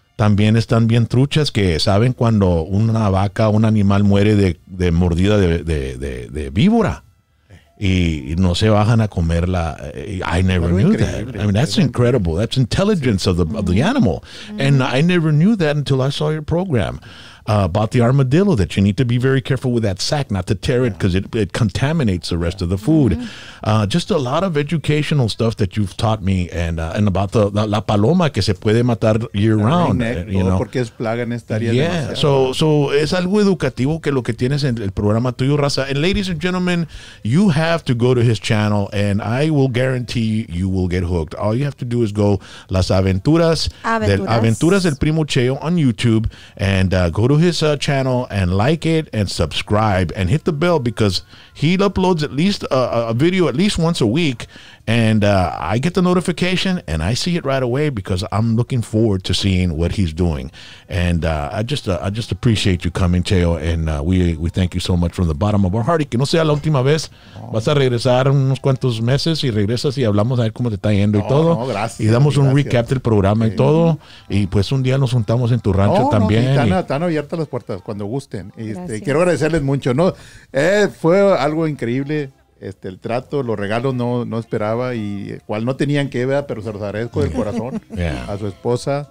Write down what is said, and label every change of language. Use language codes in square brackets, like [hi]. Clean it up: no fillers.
[es] también están bien truchas que saben cuando una vaca, un animal muere de mordida de víbora y no se bajan a comerla. [en] I never knew that. I mean, that's incredible. That's intelligence of the animal. And I never knew that until I saw your program about the armadillo, that you need to be very careful with that sack, not to tear it because it contaminates the rest of the food. Just a lot of educational stuff that you've taught me and about [es] la paloma que se puede matar [en] year round. You know, [es] porque es plaga en esta área. [en] Yeah, so [es] es algo educativo que lo que tienes en el programa tuyo, Raza. [en] And ladies and gentlemen, you have to go to his channel and I will guarantee you will get hooked. All you have to do is go Las Aventuras del Primo Cheo on YouTube and go to his channel and like it and subscribe and hit the bell because he uploads at least a video at least once a week and I get the notification and I see it right away because I'm looking forward to seeing what he's doing and I just appreciate you coming, Cheo, and we thank you so much from the bottom of our heart. [es] Y que no sea la última vez, vas a regresar unos cuantos meses y regresas y hablamos a ver cómo te está yendo gracias, y damos gracias. Un recap del programa y todo y pues un día nos juntamos en tu rancho están abiertas las puertas cuando gusten y quiero agradecerles mucho, ¿no? Fue algo increíble. El trato, los regalos no esperaba y cual no tenían que ver, pero se los agradezco del corazón a su esposa.